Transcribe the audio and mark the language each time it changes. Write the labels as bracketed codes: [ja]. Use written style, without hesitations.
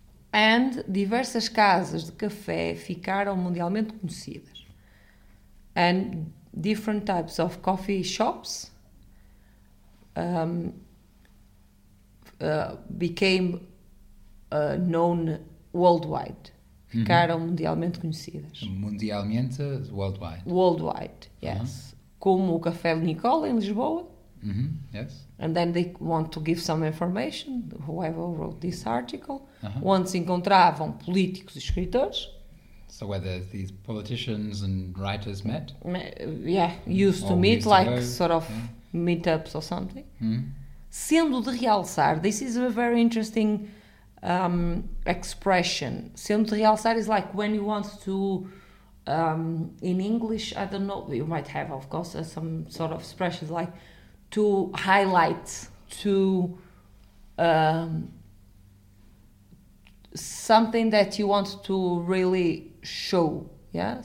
[pt] And diversas casas de café ficaram mundialmente conhecidas. [en] And different types of coffee shops became known worldwide. [pt] Ficaram mundialmente conhecidas. Mundialmente, worldwide. [en] Worldwide, yes. Uh-huh. [pt] Como o Café Nicole em Lisboa. [en] Mm-hmm. Yes. And then they want to give some information, whoever wrote this article, uh-huh. [pt] onde se encontravam políticos e escritores. [en] So whether these politicians and writers met? Yeah, used to meet, like sort of meetups or something. Mm-hmm. Sendo de realçar, this is a very interesting expression. Sendo de realçar is like when you want to, in English, I don't know, you might have, of course, some sort of expressions like to highlight, to something that you want to really show, yeah?